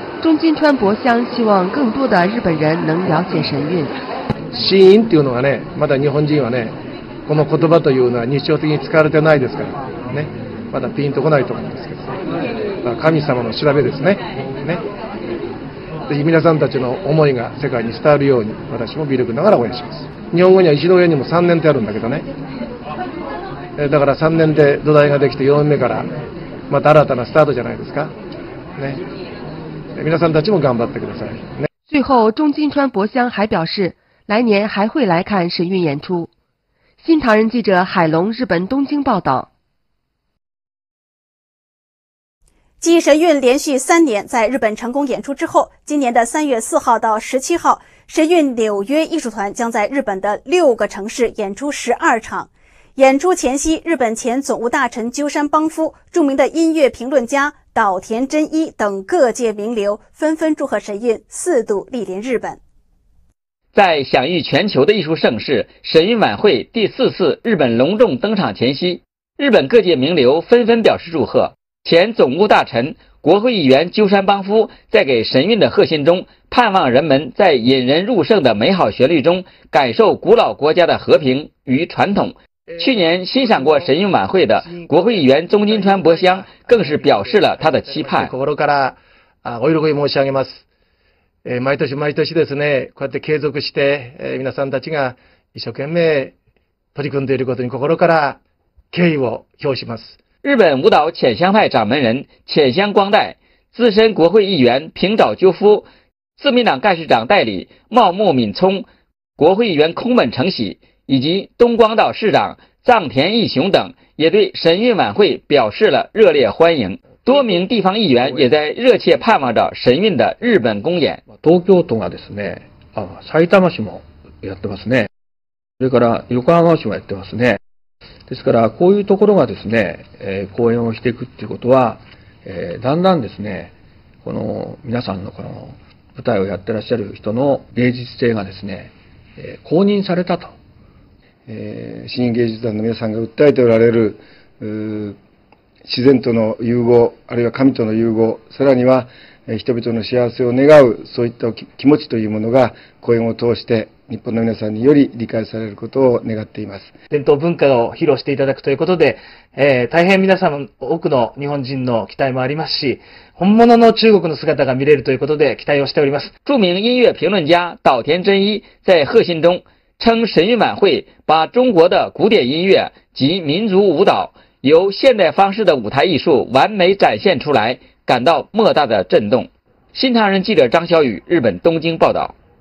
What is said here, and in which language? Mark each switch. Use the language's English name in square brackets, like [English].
[Chinese] 中金川博香希望更多的日本人能了解神韵。 [Japanese] 神韵というのはね、まだ日本人はね、この言葉というのは日常的に使われてないですからね、まだピンとこないと思うんですけど、まあ、神様の調べですね、ぜひ皆さんたちの思いが世界に伝わるように私も微力ながら応援します。日本語には石の上にも3年ってあるんだけどね、だから3年で土台ができて4年目からまた新たなスタートじゃないですかね。皆さんたちも頑張ってください、ね、 [Chinese] 最后中金川博香还表示来年还会来看神韵演出。新唐人记者海龙，日本东京报道。继神韵连续三年在日本成功演出之后，今年的3月4号到17号神韵纽约艺术团将在日本的6个城市演出12场。演出前夕，日本前总务大臣鸠山邦夫、著名的音乐评论家岛田真一等各界名流纷纷祝贺神韵四度莅临日本。在享誉全球的艺术盛世神韵晚会第四次日本隆重登场前夕，日本各界名流纷纷表示祝贺。前总务大臣国会议员鸠山邦夫在给神韵的贺信中盼望人们在引人入胜的美好旋律中感受古老国家的和平与传统。去年欣赏过神韵晚会的国会议员中金川博香更是表示了他的期盼。 [Japanese] 心からお喜び申し上げます。毎年毎年ですね、こうやって継続して皆さんたちが一生懸命取り組んでいることに心から敬意を表します。 [Chinese] 日本舞蹈浅香派掌门人浅香光代、资深国会议员平沼鸠夫、自民党干事长代理茂木敏聪、国会议员空本成喜以及东光岛市长藏田义雄等也对神韵晚会表示了热烈欢迎。多名地方议员也在热切盼望着神韵的日本公演。 [Japanese] 東京都がですね、埼玉市もやってますね。それから横浜市もやってますね。ですからこういうところがですね、公演をしていくっていうことは、だんだんですね、この皆さんのこの舞台をやってらっしゃる人の芸術性がですね、公認されたと。市民芸術団の皆さんが訴えておられる自然との融合、あるいは神との融合、さらには人々の幸せを願う、そういった気持ちというものが公演を通して日本の皆さんにより理解されることを願っています。伝統文化を披露していただくということで、大変皆さん多くの日本人の期待もありますし、本物の中国の姿が見れるということで期待をしております。 [Chinese] 著名音乐评论家岛田真一在贺信中称神韵晚会把中国的古典音乐及民族舞蹈由现代方式的舞台艺术完美展现出来，感到莫大的震动。新唐人记者张小雨，日本东京报道。